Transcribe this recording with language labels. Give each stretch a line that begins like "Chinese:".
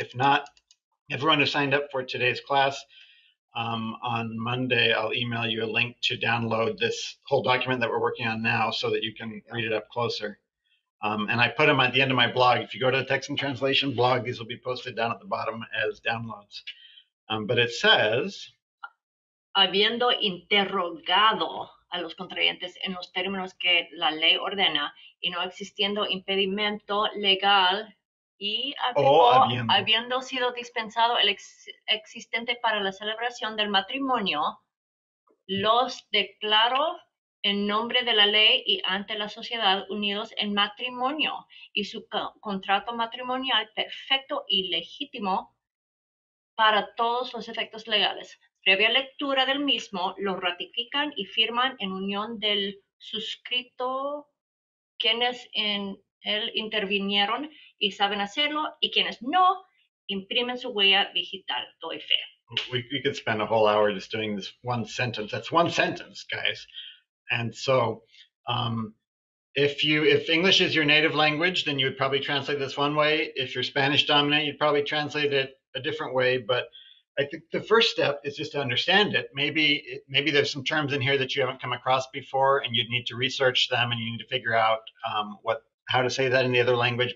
English: If not, everyone who signed up for today's class, on Monday, I'll email you a link to download this whole document that we're working on now so that you can read it up closer. And I put them at the end of my blog. If you go to the Text and Translation blog, these will be posted down at the bottom as downloads. But it says,
Spanish: habiendo interrogado a los contrayentes en los términos que la ley ordena y no existiendo impedimento legal y habiendo sido dispensado el existente para la celebración del matrimonio, los declaro en nombre de la ley y ante la sociedad unidos en matrimonio y su contrato matrimonial perfecto y legítimo para todos los efectos legales. Previa lectura del mismo, lo ratifican y firman en unión del suscrito quienes en él intervinieron y saben hacerlo, y quienes no, imprimen su huella digital. Doy fe.
English: We could spend a whole hour just doing this one sentence. That's one sentence, guys. And so if English is your native language, then you would probably translate this one way. If you're Spanish dominant, you'd probably translate it a different way. But I think the first step is just to understand it. Maybe there's some terms in here that you haven't come across before and you'd need to research them and you need to figure out how to say that in the other language.